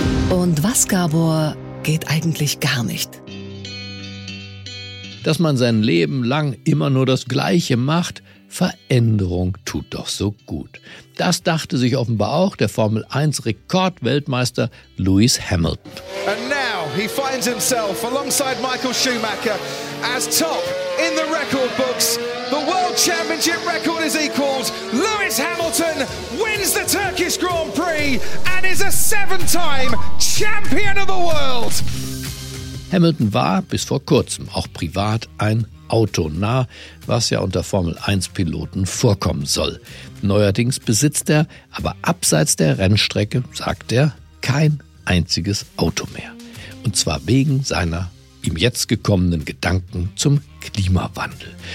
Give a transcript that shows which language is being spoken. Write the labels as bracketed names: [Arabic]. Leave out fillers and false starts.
[German] Und was, Gabor, geht eigentlich gar nicht? dass man sein Leben lang immer nur das Gleiche macht. Veränderung tut doch so gut. Das dachte sich offenbar auch der Formel 1 Rekordweltmeister Lewis Hamilton. [English] And now he finds himself alongside Michael Schumacher as top in the record books. The World Championship record is equaled. Lewis Hamilton wins the Turkish Grand Prix and is a seven-time champion of the world. [German] Hamilton war bis vor kurzem auch privat ein autonah, was ja unter Formel-1-Piloten vorkommen soll. Neuerdings besitzt er aber abseits der Rennstrecke, sagt er, kein einziges Auto mehr. Und zwar wegen seiner ihm jetzt gekommenen Gedanken zum Klimawandel.